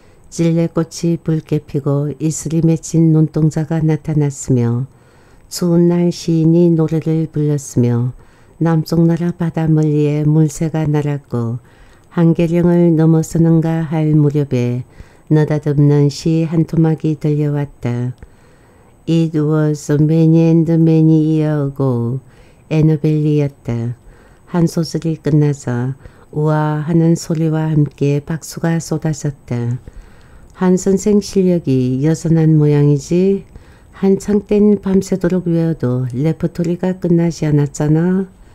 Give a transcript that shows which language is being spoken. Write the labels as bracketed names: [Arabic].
[Korean] 찔레꽃이 붉게 피고 이슬이 맺힌 눈동자가 나타났으며 추운 날 시인이 노래를 불렀으며 남쪽 나라 바다 멀리에 물새가 날았고 한계령을 넘어서는가 할 무렵에 느닷없는 시 한 토막이 들려왔다. [English] It was many and many years ago. [Korean] 애너벨리였다. 한 소절이 끝나자 우와 하는 소리와 함께 박수가 쏟아졌다. 한 선생 실력이 여전한 모양이지? 한창 땐 밤새도록 외워도 레퍼토리가 끝나지 않았잖아.